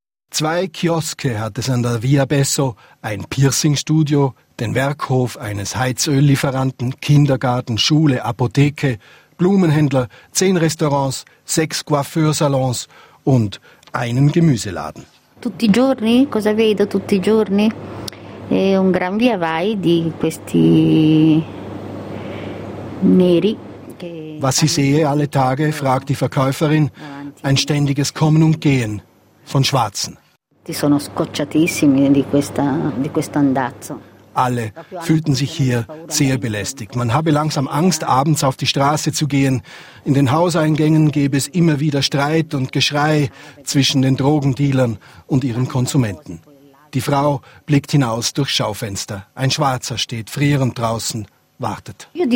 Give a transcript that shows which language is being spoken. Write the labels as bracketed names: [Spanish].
[German] 2 Kioske hat es an der Via Besso, ein Piercingstudio, den Werkhof eines Heizöllieferanten, Kindergarten, Schule, Apotheke, Blumenhändler, 10 Restaurants, 6 Coiffeursalons und einen Gemüseladen. [Italian] Tutti i giorni? Cosa vedo tutti i giorni? È un gran via vai di questi neri. [German] Was ich sehe alle Tage, fragt die Verkäuferin, ein ständiges Kommen und Gehen von Schwarzen. [Italian] Die sono scocciatissimi di quest'andazzo. [German] Alle fühlten sich hier sehr belästigt. Man habe langsam Angst, abends auf die Straße zu gehen. In den Hauseingängen gäbe es immer wieder Streit und Geschrei zwischen den Drogendealern und ihren Konsumenten. Die Frau blickt hinaus durchs Schaufenster. Ein Schwarzer steht frierend draußen, wartet.